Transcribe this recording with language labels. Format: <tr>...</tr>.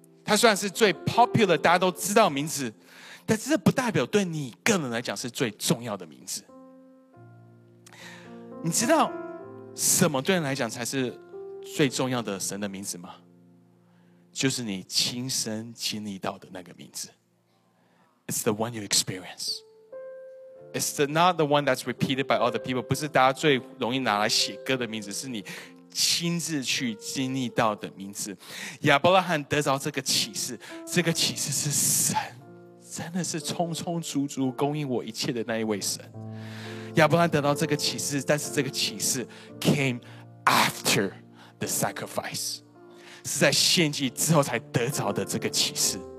<zh>它虽然是最 popular 大家都知道的名字，但是这不代表对你个人来讲是最重要的名字。你知道什么对人来讲才是最重要的神的名字吗？就是你亲身经历到的那个名字。</zh> <en>It's the one you experience. It's the, not the one that's repeated by other people.</en> <zh>不是大家最容易拿来写歌的名字，是你亲自去经历到的名字。亚伯拉罕得着这个启示，这个启示是神真的是充充足足供应我一切的那一位神。亚伯拉罕得到这个启示，但是这个启示</zh> <en>came after the sacrifice，</en> <zh>是在献祭之后才得着的这个启示。</zh>